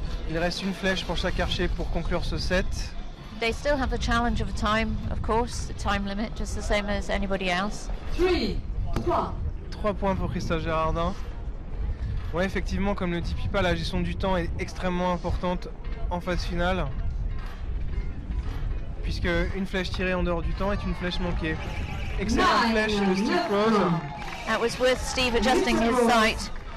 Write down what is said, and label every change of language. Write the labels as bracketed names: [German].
[French] Il reste une flèche pour chaque archer pour conclure ce set. [English] They still have the challenge of time, of course, the time limit, just the same as anybody else. [French] 3 points pour Christophe Gérardin. Ouais, effectivement, comme le dit Pipa, la gestion du temps est extrêmement importante en phase finale. Puisque une flèche tirée en dehors du temps est une flèche manquée. Excellente flèche de Steve Prose. [English] That was worth Steve adjusting his sight.